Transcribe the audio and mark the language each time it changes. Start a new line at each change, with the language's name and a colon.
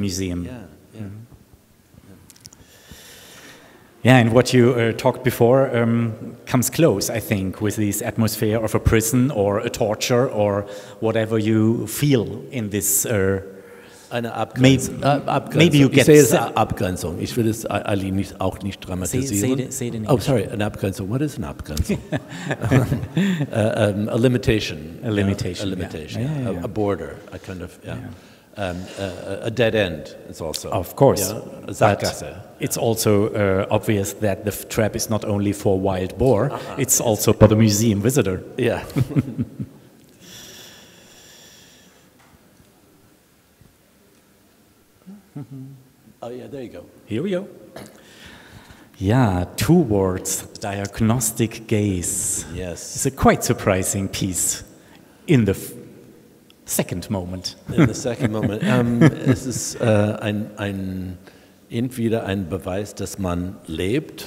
English: Museum. Yeah. And what you talked before comes close, I think, with this atmosphere of a prison or a torture or whatever you feel in this
German: Eine Abgrenzung.
English: Maybe you get it. Abgrenzung.
German: Ich will es Ali nicht, auch nicht dramatisieren.
English: Say it in English. Oh, sorry. An Abgrenzung. What is an Abgrenzung? a limitation. A limitation. A limitation. A border. A kind of, a dead end, it's also. Of course.
German: Sackgasse.
English: It's also obvious that the trap is not only for wild boar, it's also for the museum visitor. Yeah. Oh, yeah, there you go. Here we go. Yeah, towards diagnostic gaze. Yes. It's a quite surprising piece in the second moment. In the second moment.
German: es ist ein entweder ein Beweis, dass man lebt.